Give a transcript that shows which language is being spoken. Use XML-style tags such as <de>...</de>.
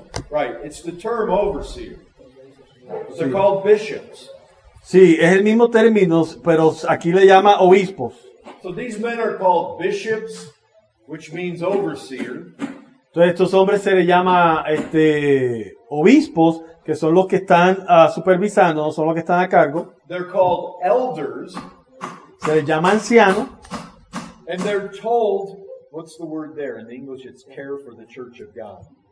<en>Right, it's the term overseer. They're called bishops.</en> <es>Sí, es el mismo término, pero aquí le llama obispos.</es> <en>So these men are called bishops, which means overseer.</en> <es>Entonces estos hombres se les llama obispos, que son los que están supervisando, son los que están a cargo.</es> <en>They're called elders.</en> <es>Se les llama anciano.</es> <en>And they're told, what's the word there? In English it's care for the church of God.</en>